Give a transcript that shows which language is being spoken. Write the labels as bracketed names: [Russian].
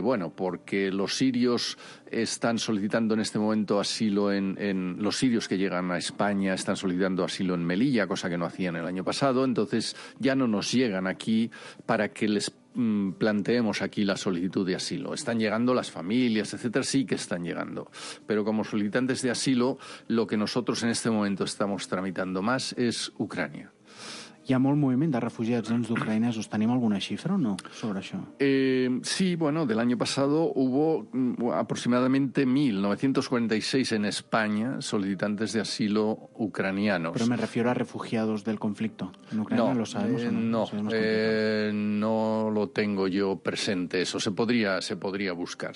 [Spanish] Bueno, porque los sirios están solicitando en este momento asilo en los sirios que llegan a España están solicitando asilo en Melilla, cosa que no hacían el año pasado. Entonces ya no nos llegan aquí para que les planteemos aquí la solicitud de asilo. Están llegando las familias, etcétera, sí que están llegando. Pero como solicitantes de asilo, lo que nosotros en este momento estamos tramitando más es Ucrania. [Catalan] Hi ha molt moviment de refugiats doncs, d'ucraïnesos. Tenim alguna xifra o no sobre això? [Spanish] Sí, bueno, del año pasado hubo aproximadamente 1.946 en España solicitantes de asilo ucranianos. Pero me refiero a refugiados del conflicto. ¿En Ucrania no, lo sabemos o no? No lo tengo yo presente eso. Se podría buscar.